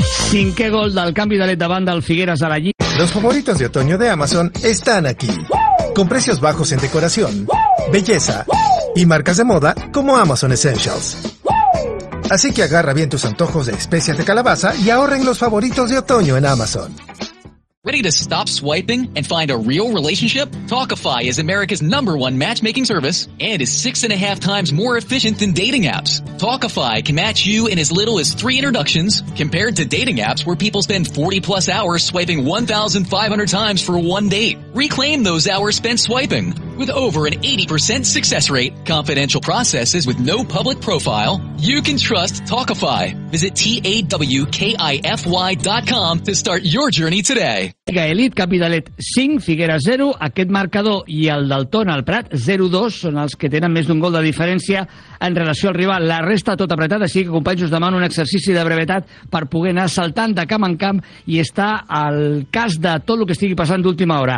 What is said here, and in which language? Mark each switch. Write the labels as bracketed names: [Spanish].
[Catalan] Cinqué gol del canvi de led de banda al Figueres a la Lliga. [Spanish] Los favoritos de otoño de Amazon están aquí. Con precios bajos en decoración, belleza y marcas de moda como Amazon Essentials. Así que agarra bien tus antojos de especias de calabaza y ahorren los favoritos de otoño en Amazon. [English] Ready to stop swiping and find a real relationship? Talkify is America's number one matchmaking service and is 6.5 times more efficient than dating apps. Talkify can match you in as little as 3 introductions compared to dating apps where people spend 40 plus hours swiping 1,500 times for one date. Reclaim those hours spent swiping. With over an 80% success rate, confidential processes with no public profile, you can trust Talkify. Visit TAWKIFY.com to start your journey today. [Catalan] Liga Elite, Capitalet 5, Figuera 0. Aquest marcador i el del Tona al Prat, 0-2, són els que tenen més d'un gol de diferència en relació al rival. La resta tot apretat, així que, companys, us demano un exercici de brevetat per poder anar saltant de camp en camp i estar al cas de tot el que estigui passant d'última hora.